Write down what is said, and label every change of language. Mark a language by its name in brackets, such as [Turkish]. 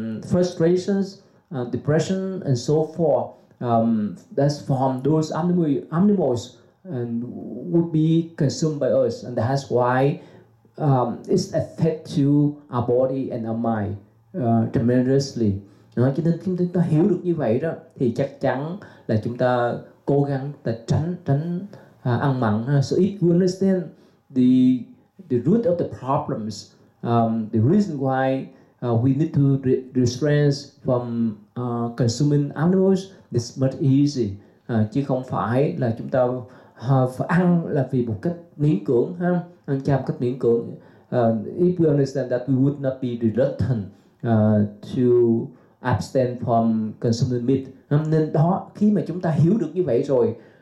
[English] frustrations, depression, and so forth, that's from those animals, and would be consumed by us, and that's why it's affect to our body and our mind tremendously. [Vietnamese] Cho nên khi chúng ta hiểu được như vậy đó, thì chắc chắn là chúng ta cố gắng ta tránh ăn mặn. [English] So if you understand the root of the problems, the reason why we need to restrain from consuming animals, it's much easier. [Vietnamese] Chứ không phải là chúng ta phải ăn là vì một cách miễn cưỡng ha, ăn chay một cách miễn cưỡng. [English] If we understand that, we would not be reluctant to abstain from consuming meat. [Vietnamese] Nên đó, khi mà chúng ta hiểu được như vậy rồi,